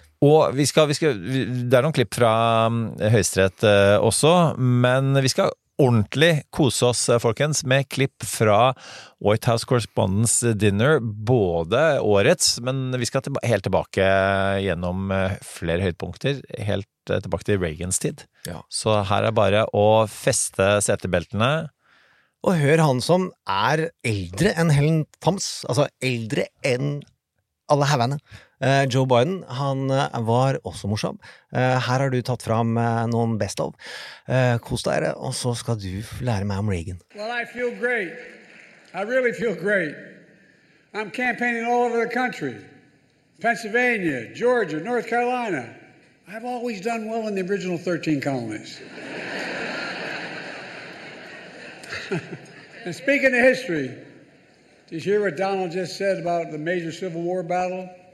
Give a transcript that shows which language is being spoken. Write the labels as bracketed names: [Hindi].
[Norwegian] Og det noen klipp fra Høyesterett også, men vi skal ordentlig kose oss, folkens, med klipp fra White House Correspondents Dinner, både årets, men vi skal helt tilbake gjennom flere høydepunkter, helt tilbake til Reagans tid. Ja. Så her bare å feste setebeltene. Og hør han som eldre enn Helen Thomas, altså eldre enn alla hävande. [Swedish] Joe Biden, han var också morsom. Här har du tagit fram någon best of. Kos dig och så ska du lära mig om Reagan. [English] Well, I feel great. I really feel great. I'm campaigning all over the country. Pennsylvania, Georgia, North Carolina. I've always done well in the original 13 colonies. And speaking of history, did you hear what Donald just said about the major Civil War battle?